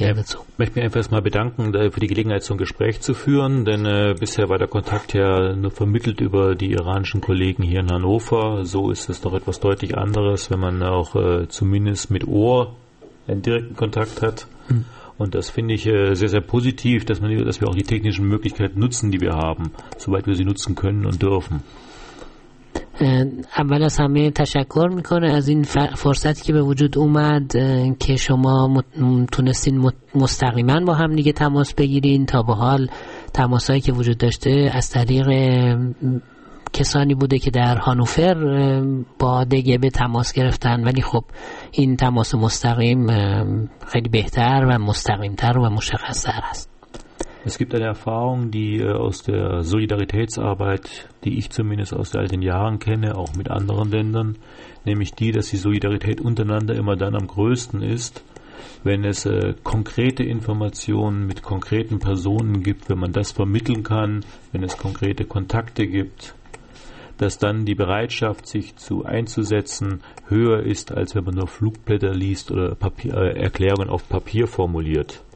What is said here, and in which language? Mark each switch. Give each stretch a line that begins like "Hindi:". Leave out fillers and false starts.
German: möchte mich einfach erstmal bedanken für die Gelegenheit, so ein Gespräch zu führen, denn bisher war der Kontakt ja nur vermittelt über die iranischen Kollegen hier in Hannover. So ist es doch etwas deutlich anderes, wenn man auch zumindest mit Ohr einen direkten Kontakt hat. Und das finde ich sehr, sehr positiv, dass wir auch die technischen Möglichkeiten nutzen, die wir haben, soweit wir sie nutzen können und dürfen.
Persian: اول از همه تشکر میکنه از این فرصتی که به وجود اومد که شما تونستین مستقیما با هم دیگه تماس بگیرین. تا به حال تماسایی که وجود داشته از طریق کسانی بوده که در هانوفر با دگبه تماس گرفتن، ولی خب این تماس مستقیم خیلی بهتر و مستقیمتر و مشخصتر است.
German: Es gibt eine Erfahrung, die aus der Solidaritätsarbeit, die ich zumindest aus all den Jahren kenne, auch mit anderen Ländern, nämlich die, dass die Solidarität untereinander immer dann am größten ist, wenn es konkrete Informationen mit konkreten Personen gibt, wenn man das vermitteln kann, wenn es konkrete Kontakte gibt, dass dann die Bereitschaft, sich einzusetzen, höher ist, als wenn man nur Flugblätter liest oder Erklärungen auf Papier formuliert.